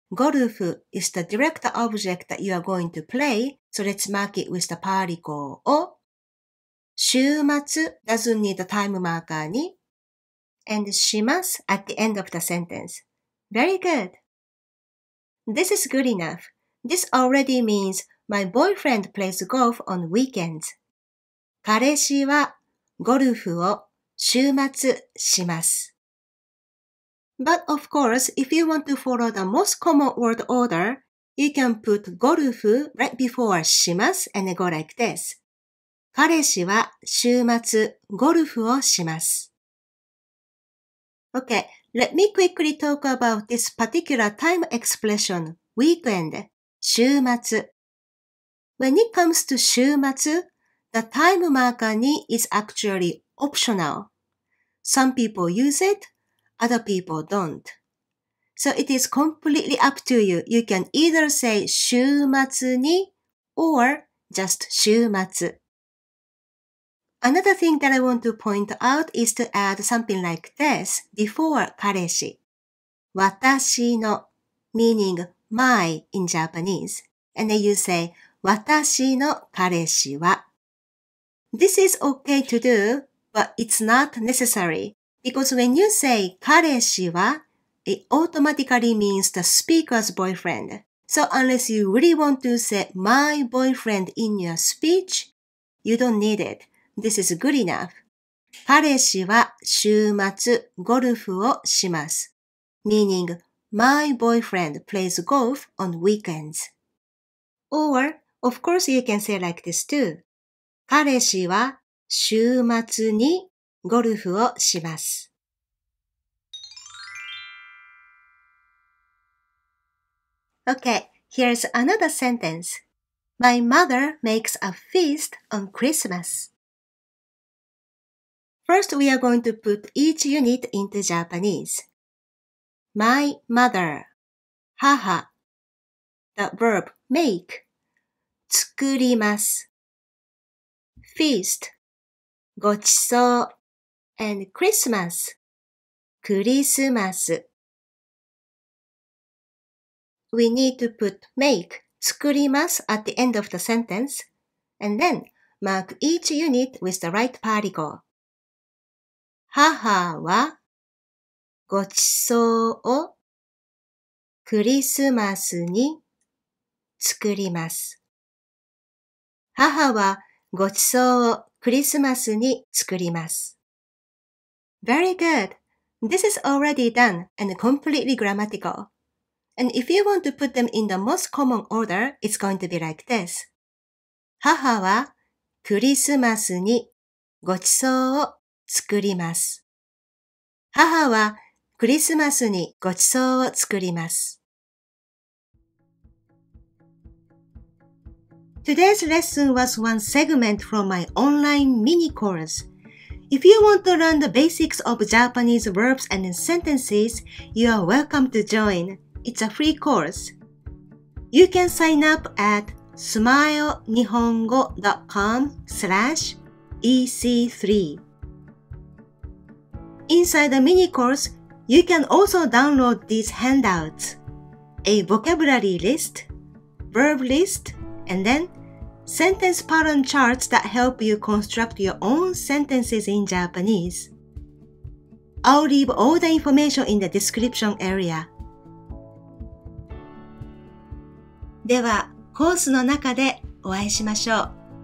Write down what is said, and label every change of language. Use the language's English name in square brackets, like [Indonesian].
[English] ゴルフ is the direct object that you are going to play, so let's mark it with the particle を。週末 doesn't need a time marker に。And します at the end of the sentence. Very good. This is good enough. This already means my boyfriend plays golf on weekends. [Japanese] 彼氏はゴルフを週末します。 [English] But of course, if you want to follow the most common word order, You can put ゴルフ right before します and go like this. [Japanese] 彼氏は週末ゴルフをします。 [English] Okay, let me quickly talk about this particular time expression, weekend, 週末。 When it comes to 週末, the time marker ni is actually optional. Some people use it, other people don't. So it is completely up to you. You can either say 週末に or just 週末。 Another thing that I want to point out is to add something like this before 彼氏。私の meaning my in Japanese. And then you say [Japanese] 私の彼氏は。 [English] This is okay to do, but it's not necessary. Because when you say 彼氏は, it automatically means the speaker's boyfriend. So unless you really want to say my boyfriend in your speech, you don't need it. This is good enough. [Japanese] 彼氏は週末ゴルフをします。 [English] Meaning, my boyfriend plays golf on weekends. Or,Of course, you can say like this too. [Japanese] 彼氏は週末にゴルフをします。 [English] Okay, here's another sentence. My mother makes a feast on Christmas. First, we are going to put each unit into Japanese. My mother, 母, the verb make. 作ります。Feast, ごちそう。 And Christmas, クリスマス。 We need to put make, 作ります at the end of the sentence, and then mark each unit with the right particle. [Japanese] 母はごちそうをクリスマスに作ります。母はごちそうをクリスマスに作ります。 [English] Very good. This is already done and completely grammatical. And if you want to put them in the most common order, it's going to be like this. [Japanese] 母はクリスマスにごちそうを作ります。母はクリスマスにごちそうを作ります。 [English] Today's lesson was one segment from my online mini course. If you want to learn the basics of Japanese verbs and sentences, you are welcome to join. It's a free course. You can sign up at smilenihongo.com/EC3. Inside the mini course, you can also download these handouts, a vocabulary list, verb list, and then sentence pattern charts that help you construct your own sentences in Japanese. I'll leave all the information in the description area. [Japanese] では、コースの中でお会いしましょう。